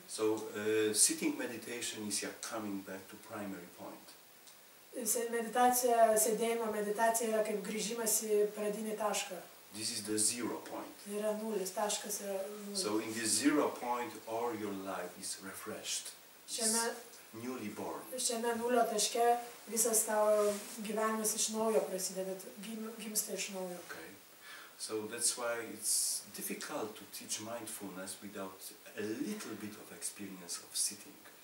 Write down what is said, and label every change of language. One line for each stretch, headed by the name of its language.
English: So, sitting meditation is your coming back to primary point.
Lithuanian: Sėdėjimo meditacija yra kaip grįžimas į pradinį tašką.
English: This is the zero point.
Lithuanian: Yra nulis, taškas yra nulis.
English: So, in the zero point, all your life is refreshed. Newly born.
Lithuanian: Šiame nulio taške visas tavo gyvenimas iš naujo prasideda, gimsta iš naujo.
English: Okay. So that's why it's difficult to teach mindfulness without a little bit of experience of sitting.